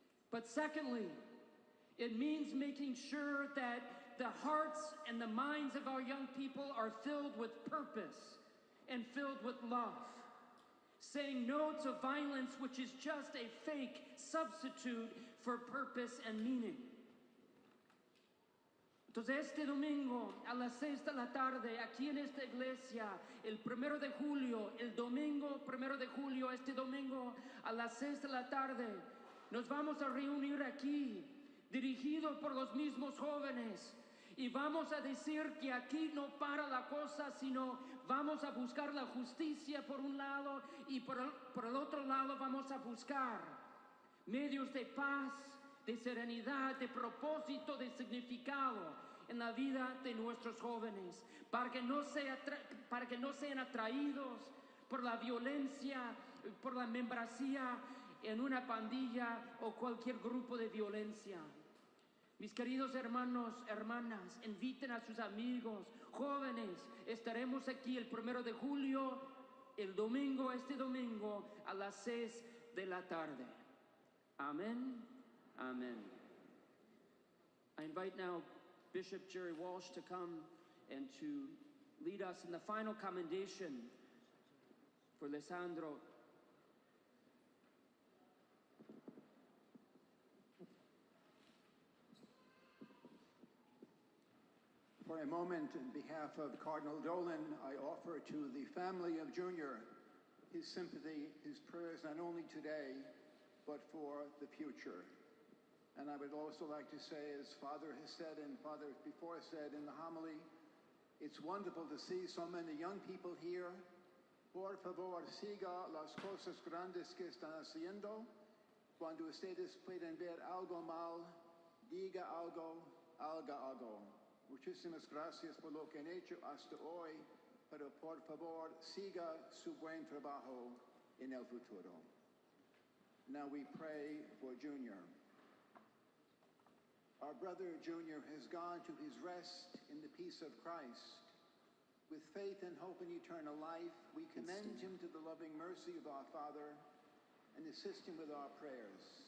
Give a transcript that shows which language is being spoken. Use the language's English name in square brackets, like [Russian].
[English] But secondly, it means making sure that the hearts and the minds of our young people are filled with purpose and filled with love, saying no to violence, which is just a fake substitute for purpose and meaning. [Spanish] Entonces, este domingo, a las 6 p.m, aquí en esta iglesia, el domingo primero de julio, a las 6 p.m, nos vamos a reunir aquí, dirigido por los mismos jóvenes, y vamos a decir que aquí no para la cosa, sino vamos a buscar la justicia por un lado, y por el otro lado vamos a buscar medios de paz, de serenidad, de propósito, de significado en la vida de nuestros jóvenes, para que no sean atraídos por la violencia, por la membresía en una pandilla o cualquier grupo de violencia. Mis queridos hermanos, hermanas, inviten a sus amigos, jóvenes, estaremos aquí el primero de julio, el domingo, este domingo, a las 6 p.m. Amén. Amén. [English] I invite now Bishop Jerry Walsh to come and to lead us in the final commendation for Lesandro. For a moment, on behalf of Cardinal Dolan, I offer to the family of Junior his sympathy, his prayers, not only today, but for the future. And I would also like to say, as Father has said and Father before said in the homily, it's wonderful to see so many young people here. [Spanish] Por favor, siga las cosas grandes que están haciendo. Cuando ustedes pueden ver algo mal, diga algo, haga algo. Muchísimas gracias por lo que han hecho hasta hoy, pero por favor, siga su buen trabajo en el futuro. [English] Now we pray for Junior. Our brother Junior has gone to his rest in the peace of Christ. With faith and hope in eternal life, we commend him to the loving mercy of our Father and assist him with our prayers.